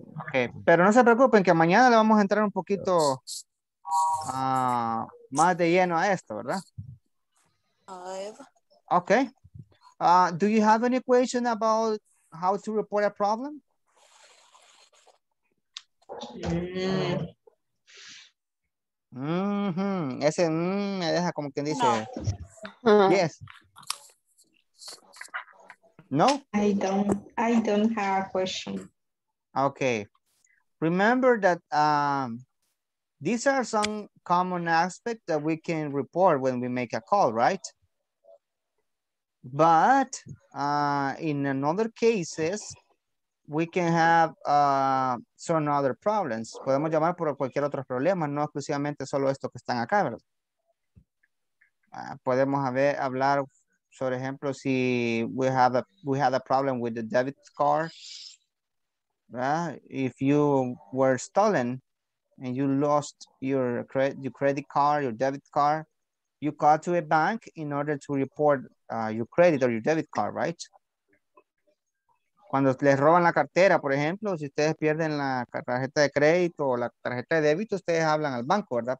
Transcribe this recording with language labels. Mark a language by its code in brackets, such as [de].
[es] Okay, pero no se preocupen que mañana le vamos a entrar un poquito más de lleno a esto, ¿verdad? [en] Okay. Do you have any question about how to report a problem? [es] Mm-hmm. Ese me deja como quien dice. [en] No. Yes. No? I don't have a question. Okay. Remember that these are some common aspects that we can report when we make a call, right? But in another cases, we can have some other problems. [es] Podemos llamar por cualquier otro problema, no exclusivamente solo esto que están acá, ¿verdad? Podemos hablar, por ejemplo, si [en] we had a problem with the debit card. Right? If you were stolen and you lost your credit card, your debit card, you call to a bank in order to report your credit or your debit card, right? [es] Cuando les roban la cartera, por ejemplo, si ustedes pierden la tarjeta de crédito o la tarjeta de débito, ustedes hablan al banco, ¿verdad?